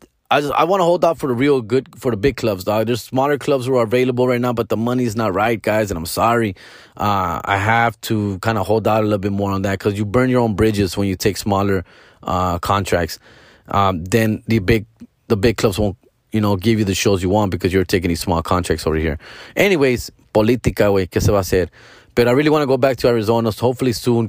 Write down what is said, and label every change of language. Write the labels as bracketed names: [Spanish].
[English] I want to hold out for the real good, for the big clubs, dog. There's smaller clubs who are available right now, but the money's not right, guys, and I'm sorry. I have to kind of hold out a little bit more on that because you burn your own bridges when you take smaller contracts. Then the big clubs won't, you know, give you the shows you want because you're taking these small contracts over here. Anyways, [Spanish] política, güey, ¿qué se va a hacer? [English] But I really want to go back to Arizona, so hopefully soon.